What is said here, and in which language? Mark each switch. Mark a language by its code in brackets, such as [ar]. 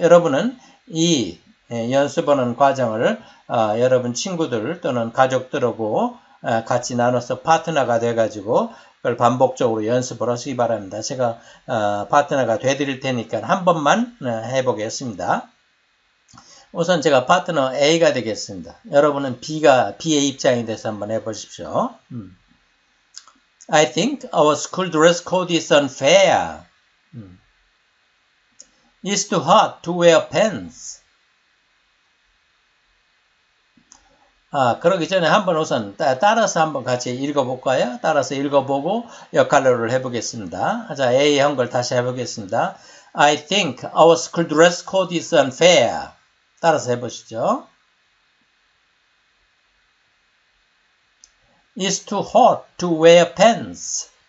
[ko] 여러분은 이 연습하는 과정을 여러분 친구들 또는 가족들하고 같이 나눠서 파트너가 돼가지고 그걸 반복적으로 연습을 하시기 바랍니다. 제가 파트너가 돼드릴 테니까 한 번만 해보겠습니다. 우선 제가 파트너 A가 되겠습니다. 여러분은 B의 입장이 돼서 한번 해보십시오. [en] I think our school dress code is unfair. It's too hot to wear pants. [ko] 그러기 전에 한번 우선 따라서 한번 같이 읽어볼까요? 따라서 읽어보고 역할을 해보겠습니다. 자, A 한 걸 다시 해보겠습니다. [en] I think our school dress code is unfair. [ko] 따라서 해보시죠. [en] It's too hot to wear pants.